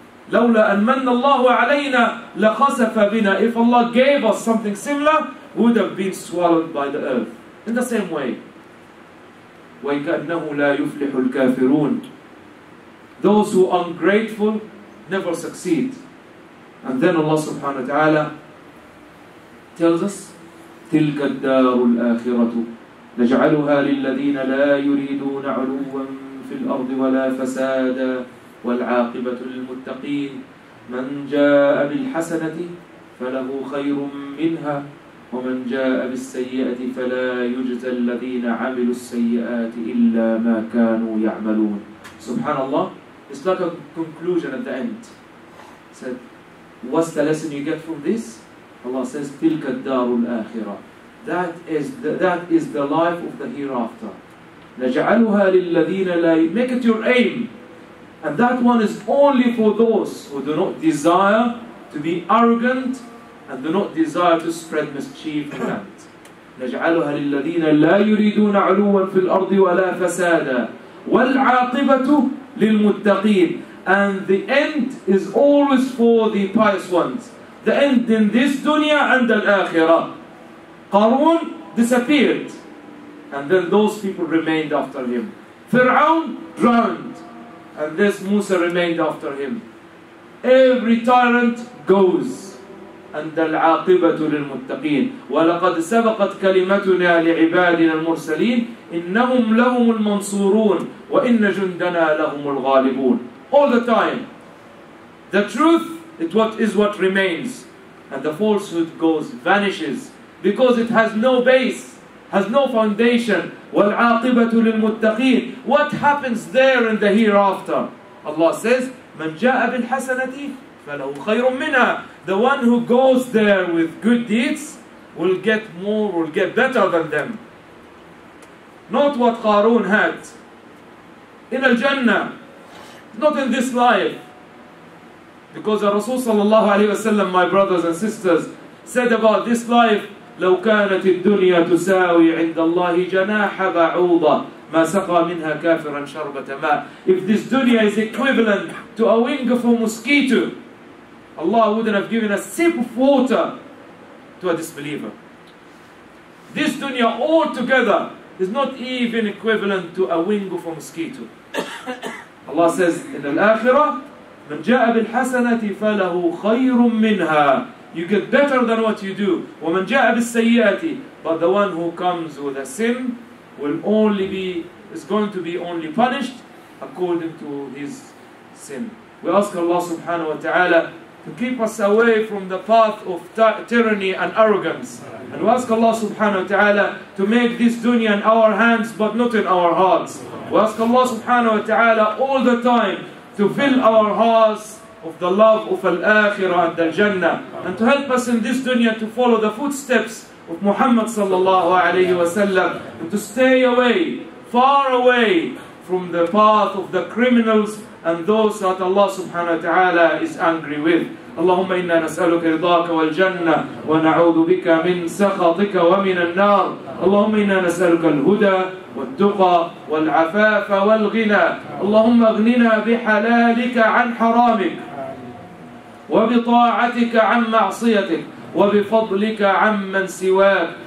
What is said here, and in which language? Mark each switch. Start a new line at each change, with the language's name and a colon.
Arabic: لَوْلَا أَمَّنَّ اللَّهُ عَلَيْنَا لَقَسَفَ بِنَا.
English: If Allah gave us something similar, we would have been swallowed by the earth. In the same way.
Arabic: وَيْكَأَنَّهُ لَا يُفْلِحُ الْكَافِرُونَ.
English: Those who are ungrateful never succeed. And then Allah subhanahu wa ta'ala tells us,
Arabic: تِلْكَ الدَّارُ الْآخِرَةُ نَجْعَلُهَا لِلَّذِينَ لَا يُرِيدُونَ عُلُوًا فِي الْأَرْضِ وَلَا فَسَادًا وَالْعَاقِبَةُ لِلْمُتَّقِينَ مَنْ جَاءَ بِالْحَسَنَةِ فَلَهُ خَيْرٌ مِّنْهَا وَمَنْ جَاءَ بِالسَّيِّئَةِ فَلَا يُجْزَى الَّذِينَ عَمِلُوا السَّيِّئَاتِ إِلَّا مَا كَانُوا يَعْمَلُونَ.
English: Subhanallah, it's like a conclusion at the end. He said, what's the lesson you get from this? Allah says,
Arabic: تِلْكَ الدَّارُ الْآخِرَةِ.
English: That is the life of the hereafter.
Arabic: نَجْعَلُهَا لِلَّذِينَ لَا ي...
English: Make it your aim. And that one is only for those who do not desire to be arrogant and do not desire to spread mischief in that.
Arabic: نَجْعَلُهَا لِلَّذِينَ لَا يُرِيدُونَ عُلُوًا فِي الْأَرْضِ وَلَا فَسَادًا وَالْعَاقِبَةُ لِلْمُتَّقِينَ.
English: And the end is always for the pious ones. The end in this dunya and al-akhirah. Qarun disappeared, and then those people remained after him. Fir'aun drowned, and this Musa remained after him. Every tyrant goes.
Arabic: And العاقبة للمتقين ولقد سبقت كلمتنا لعبادنا المرسلين إنهم لهم المنصورون وإن جندنا لهم الغالبون.
English: All the time, the truth is what remains, and the falsehood goes, vanishes, because it has no base, has no foundation.
Arabic: والعاقبة للمتقين.
English: What happens there in the hereafter? Allah says,
Arabic: من جاء بالحسنة فله خير منها.
English: The one who goes there with good deeds will get more, will get better than them. Not what Qarun had. In al-Jannah. Not in this life. Because the Rasul sallallahu alayhi wa sallam, my brothers and sisters, said about this life,
Arabic: لو كانت الدنيا تساوي عند الله جناح بعوضة ما سقى منها كافرا شربة ماء.
English: If this dunya is equivalent to a wing of a mosquito, Allah wouldn't have given a sip of water to a disbeliever. This dunya altogether is not even equivalent to a wing of a mosquito. Allah says in al-akhirah,
Arabic: من جاء بالحسنة فله خير منها.
English: You get better than what you do.
Arabic: ومن جاء بالسيئة,
English: but the one who comes with a sin is going to be only punished according to his sin. We ask Allah subhanahu wa ta'ala to keep us away from the path of tyranny and arrogance. And we ask Allah subhanahu wa ta'ala to make this dunya in our hands but not in our hearts. We ask Allah subhanahu wa ta'ala all the time to fill our hearts of the love of al-akhirah and al-jannah, and to help us in this dunya to follow the footsteps of Muhammad sallallahu alayhi wa sallam, and to stay away, far away from the path of the criminals and those that Allah subhanahu wa ta'ala is angry with.
Arabic: اللهم إنا نسألك رضاك والجنة ونعوذ بك من سخطك ومن النار. اللهم إنا نسألك الهدى والتقى والعفاف والغنى. اللهم اغننا بحلالك عن حرامك, وبطاعتك عن معصيتك, وبفضلك عمن سواك.